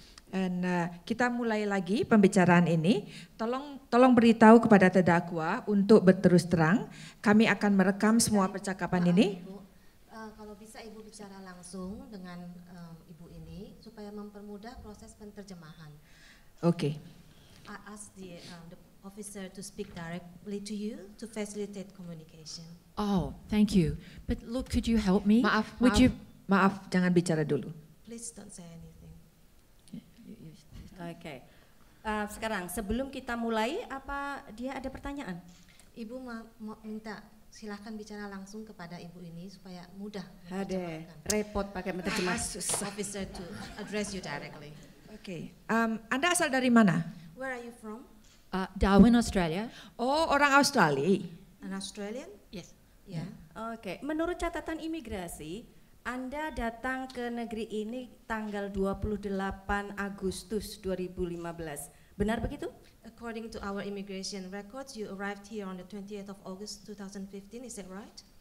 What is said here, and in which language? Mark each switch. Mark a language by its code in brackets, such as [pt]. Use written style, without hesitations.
[id] And kita mulai lagi pembicaraan ini. Tolong beritahu kepada terdakwa untuk berterus terang. Kami akan merekam semua percakapan ini. Ibu, kalau bisa ibu bicara langsung dengan ibu ini supaya mempermudah proses penterjemahan. [en] Okay. I ask the officer to speak directly to you to facilitate communication. Oh, thank you. But look, could you help me? [id] Maaf, [en] would you? [id] Maaf, jangan bicara dulu. [en] Please don't say anything. Okay. [id] Sekarang, sebelum kita mulai, apa dia ada pertanyaan? Ibu mau minta silakan bicara langsung kepada ibu ini supaya mudah. Ada repot pakai menterjemah. [en] Officer to address you directly. [id] Okay. Anda asal dari mana? [en] Where are you from? Darwin, Australia. [id] Oh, orang Australia. [en] An Australian? Yes. Yeah. Okay. [id] Menurut catatan imigrasi, Anda datang ke negeri ini tanggal 28 Agustus 2015. Benar begitu? [en] According to our immigration records, you arrived here on the 28th of August 2015. Is that right?